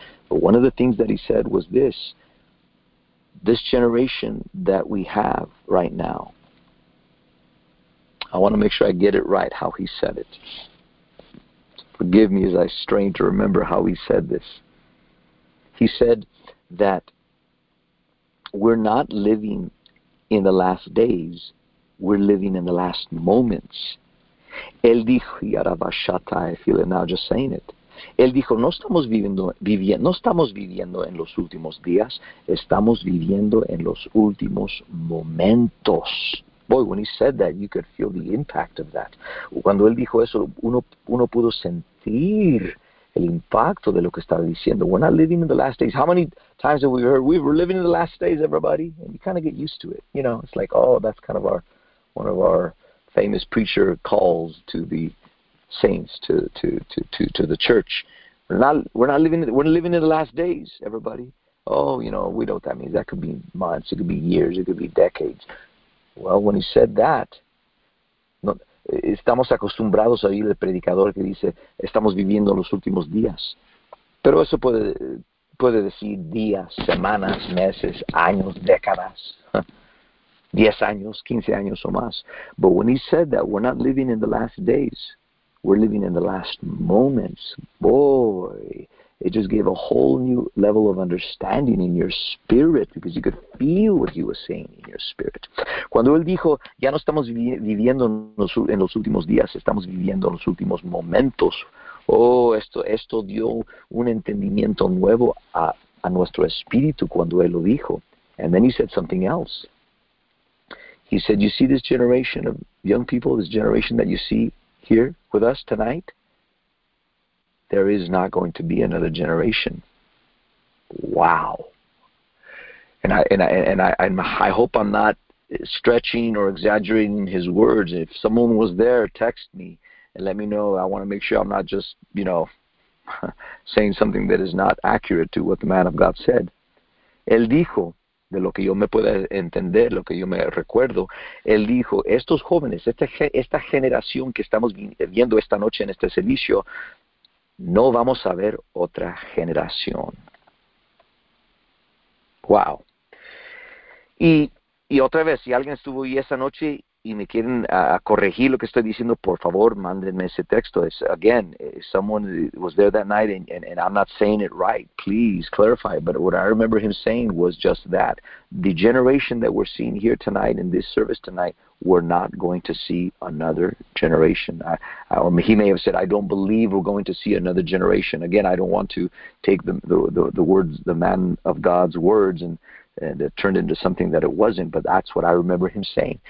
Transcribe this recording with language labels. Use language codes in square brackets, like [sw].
[en] But one of the things that he said was this. This generation that we have right now, I want to make sure I get it right how he said it. Forgive me as I strain to remember how he said this. He said that we're not living in the last days, we're living in the last moments. [es] Él dijo, y ahora va shata, [en] I feel it now just saying it. [es] Él dijo, no estamos viviendo en los últimos días, estamos viviendo en los últimos momentos. [en] Boy, when he said that, you could feel the impact of that. [es] Cuando él dijo eso, uno pudo sentir el impacto de lo que estaba diciendo. [en] We're not living in the last days. How many times have we heard, we were living in the last days, everybody? And you kind of get used to it. You know, it's like, oh, that's kind of one of our famous preacher calls to the saints, to the church. We're not living in the last days, everybody. Oh, you know, we know what that means. That could be months, it could be years, it could be decades. Well, when he said that, [es] no, estamos acostumbrados a oír el predicador que dice, estamos viviendo los últimos días. Pero eso puede decir días, semanas, meses, años, décadas. 10 años, 15 años o más. [en] But when he said that, we're not living in the last days, we're living in the last moments. Boy, it just gave a whole new level of understanding in your spirit because you could feel what he was saying in your spirit. [es] Cuando él dijo, ya no estamos viviendo en los últimos días, estamos viviendo en los últimos momentos. Oh, esto dio un entendimiento nuevo a nuestro espíritu cuando él lo dijo. [en] And then he said something else. He said, you see this generation of young people, this generation that you see here with us tonight, there is not going to be another generation. Wow. And I hope I'm not stretching or exaggerating his words. If someone was there, text me and let me know. I want to make sure I'm not just, you know, saying something that is not accurate to what the man of God said. [es] Él dijo, de lo que yo me pueda entender, lo que yo me recuerdo, él dijo, estos jóvenes, esta generación que estamos viendo esta noche en este servicio, no vamos a ver otra generación. Wow. Y otra vez, si alguien estuvo ahí esa noche y me quieren corregir lo que estoy diciendo, por favor, mándenme ese texto. [en] It's, again, someone was there that night, and I'm not saying it right. Please clarify. But what I remember him saying was just that. The generation that we're seeing here tonight, in this service tonight, we're not going to see another generation. He may have said, I don't believe we're going to see another generation. Again, I don't want to take the words, the man of God's words, and it turned into something that it wasn't, but that's what I remember him saying.